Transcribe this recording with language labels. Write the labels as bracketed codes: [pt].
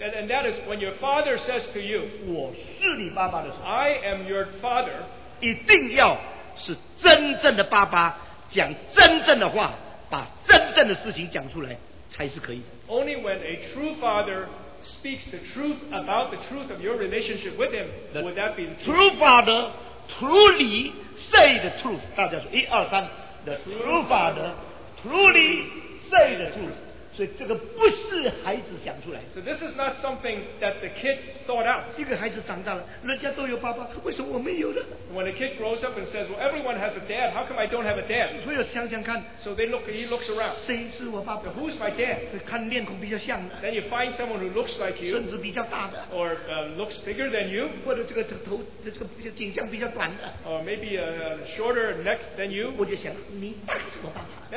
[en] And that is when your father says to you, [zh] 我是你爸爸的时候, [en] I am your father, [zh] 一定要是真正的爸爸讲真正的话把真正的事情讲出来才是可以的。 [en] Only when a true father speaks the truth about the truth of your relationship with him would that be the truth. True father truly say the truth. [zh] 大家说一二三 [en] The true father truly say the truth. [zh] 所以这个不是孩子想出来的。 [en] So this is not something that the kid thought out. [zh] 一个孩子长大了人家都有爸爸为什么我没有呢 [en] When a kid grows up and says, well, everyone has a dad. How come I don't have a dad? [zh] 所以我想想看 [en] So they look, he looks around. [zh] 谁是我爸爸 [en] so Who's my dad? [zh] 看面孔比较像的 [en] Then you find someone who looks like you. [zh] 身子比较大的 [en] Or looks bigger than you. [zh] 或者这个颈项比较短的 [en] Or maybe a shorter neck than you. [zh] 我就想你爸爸是我爸爸